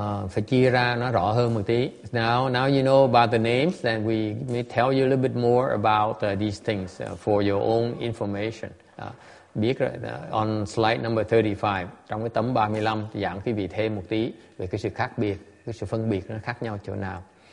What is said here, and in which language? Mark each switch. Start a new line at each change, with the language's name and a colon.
Vietnamese: Phải chia ra nó rõ hơn một tí.
English: Now you know about the names, then we may tell you a little bit more about these things for your own information.
Vietnamese: Biết rồi,
English: on slide number 35,
Vietnamese: trong cái tấm 35, giảng quý vị thêm một tí về cái sự khác biệt, cái sự phân biệt nó khác nhau chỗ nào.